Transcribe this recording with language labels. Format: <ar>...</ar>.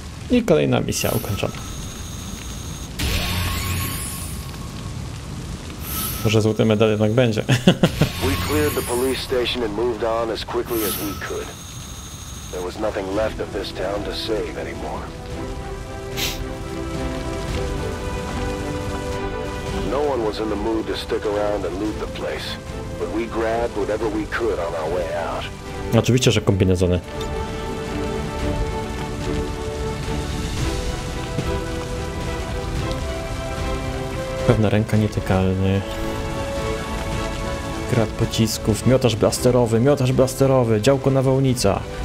<pl>I kolejna misja ukończona. Może złoty medal jednak będzie.</pl> <en>We cleared the police station and moved on as quickly as we could. There was nothing left of this town to save anymore. No one was in the mood to stick around and loot the place, but we grabbed whatever we could on our way out.</en> <pl>Oczywiście, że kombinezony. Pewna ręka nietykalny. Grad pocisków, miotarz blasterowy, działko nawałnica.</pl>